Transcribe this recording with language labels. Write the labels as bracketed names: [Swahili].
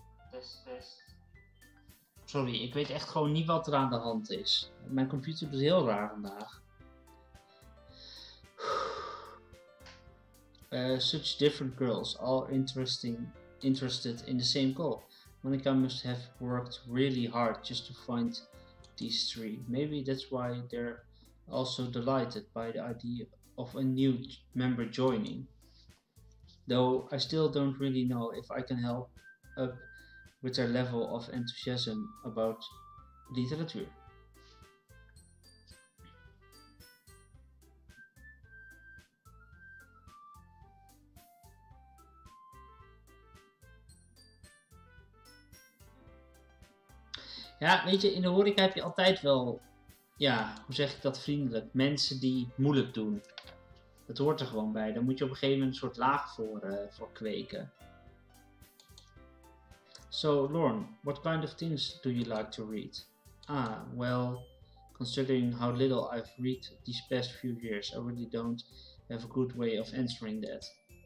[Dutch] Test. Sorry, ik weet echt gewoon niet wat er aan de hand is. Mijn computer doet heel raar vandaag. [English] Such different girls, all interested in the same goal. Monica must have worked really hard just to find these three. Maybe that's why they're also delighted by the idea of a new member joining. Though I still don't really know if I can help up with their level of enthusiasm about literature. [Dutch] Ja, weet je, in de horeca heb je altijd wel, ja, hoe zeg ik dat vriendelijk, mensen die moeilijk doen. Dat hoort er gewoon bij. Daar moet je op een gegeven moment een soort laag voor kweken. [English] So, Lorne, what kind of things do you like to read? Ah, well, considering how little I've read these past few years, I really don't have a good way of answering that.